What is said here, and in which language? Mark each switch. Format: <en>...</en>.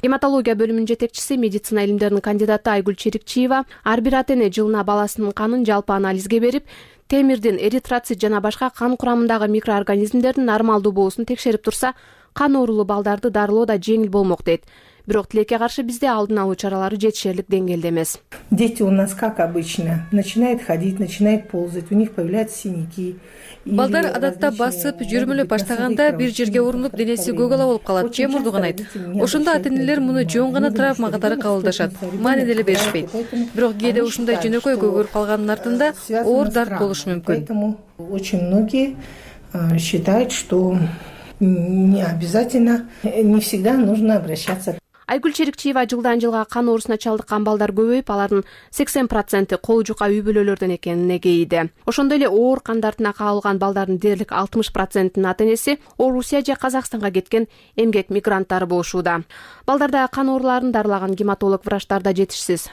<ky>Гематология бөлүмүнүн жетекчиси, медицина илимдеринин кандидаты Айгүл Черикчиева ар бир ата эне жылына баласынын канын жалпы анализге берип, темирдин, эритроцит жана башка кан курамындагы микроорганизмдердин нормалдуу болуусун текшерип турса, кан оорулуу балдарды дарылоо да жеңил болмок дейт. Бирок тилекке каршы бизде алдын алуу чаралары жетишерлик деңгээлде эмес.</ky> <ru>Дети у нас как обычно начинают ходить, начинают ползать, у них появляются синяки.</ru> <ky>Балдар адатта басып, жүрмөлөп баштаганда бир жерге урунуп денеси көгала болуп калат, же мурдуганайт. Ошондо ата-энелер муну жөн гана травма катары кабылдашат, маани деле беришпейт. Бирок кээде ушундай жөнөкөй көгөрүп калганын артында оор дарт болушу мүмкүн.</ky> <ru>Поэтому очень многие считают, что не обязательно, не всегда нужно обращаться.</ru> <ky>Айгүл Черикчиева жылдан жылга кан оорусуна чалдыккан балдар көбөйүп, алардын 80% кол жука үй бүлөлөрдөн экенине кейиде. Ошондой эле оор кан дартына кабылган балдардын дээрлик 60%нын ата энеси Орусия же Казакстанга кеткен эмгек мигранттары болушууда. Балдарда кан ооруларын дарылаган гематолог врачтар да жетишсиз.</ky>